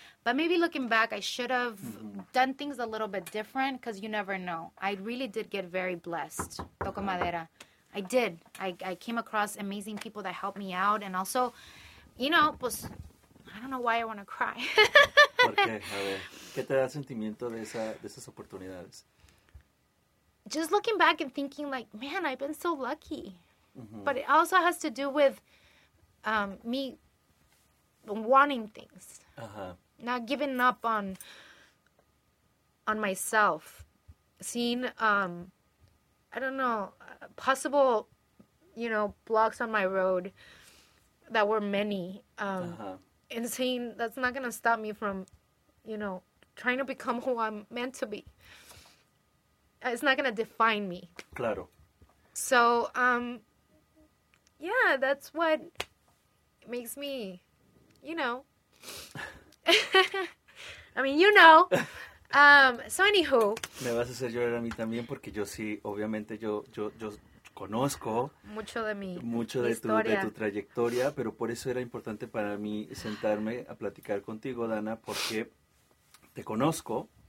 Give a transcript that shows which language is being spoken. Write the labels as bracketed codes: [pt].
[en] But maybe looking back, I should have done things a little bit different because you never know. I really did get very blessed. [es] Toco madera. [en] I did. I came across amazing people that helped me out. And also, you know, pues... I don't know why I want to cry. [es] ¿Por qué? A ver, ¿qué te da sentimiento de esas oportunidades? [en] Just looking back and thinking like, man, I've been so lucky. Mm-hmm. But it also has to do with me wanting things. Uh-huh. Not giving up on myself. Seeing, I don't know, possible, you know, blocks on my road that were many. Uh-huh. And seeing that's not going to stop me from, you know, trying to become who I'm meant to be. It's not going to define me. [es] Claro. [en] So, yeah, that's what makes me, you know. I mean, you know. So, anywho. [es] Me vas a hacer llorar a mí también porque yo sí, obviamente, yo conozco. Mucho de mí. Mucho de tu trayectoria. Pero por eso era importante para mí sentarme a platicar contigo, Dana, porque te conozco.